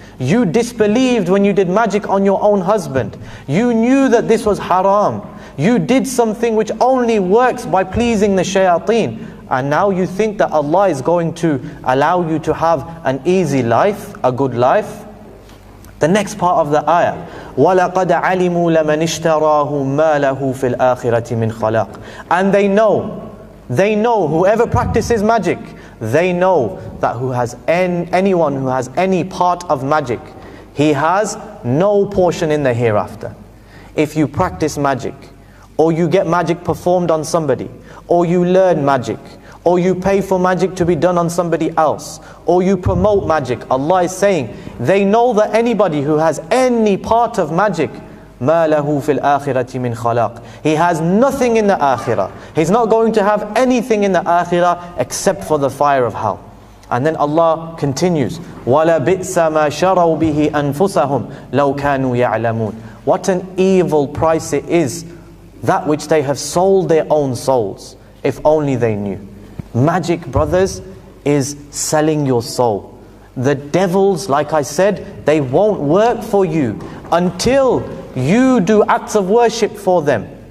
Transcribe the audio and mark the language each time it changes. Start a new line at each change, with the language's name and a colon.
English: You disbelieved when you did magic on your own husband. You knew that this was haram. You did something which only works by pleasing the shayateen. And now you think that Allah is going to allow you to have an easy life, a good life. The next part of the ayah,
Arabic: وَلَقَدْ عَلِمُوا لَمَنِ اشْتَرَاهُ مَا لَهُ فِي الْآخِرَةِ مِنْ خَلَاقٍ.
English: And they know, whoever practices magic, they know that anyone who has any part of magic, he has no portion in the hereafter. If you practice magic, or you get magic performed on somebody, or you learn magic, or you pay for magic to be done on somebody else, or you promote magic, Allah is saying, they know that anybody who has any part of magic,
Arabic: مَا لَهُ فِي الْآخِرَةِ مِنْ خَلَاقٍ.
English: He has nothing in the Akhirah. He's not going to have anything in the Akhirah except for the fire of hell. And then Allah continues,
Arabic: وَلَبِئْسَ مَا شَرَوْا بِهِ أَنفُسَهُمْ لَوْ كَانُوا يَعْلَمُونَ.
English: What an evil price it is, that which they have sold their own souls, if only they knew. Magic, brothers, is selling your soul. The devils, like I said, they won't work for you until you do acts of worship for them.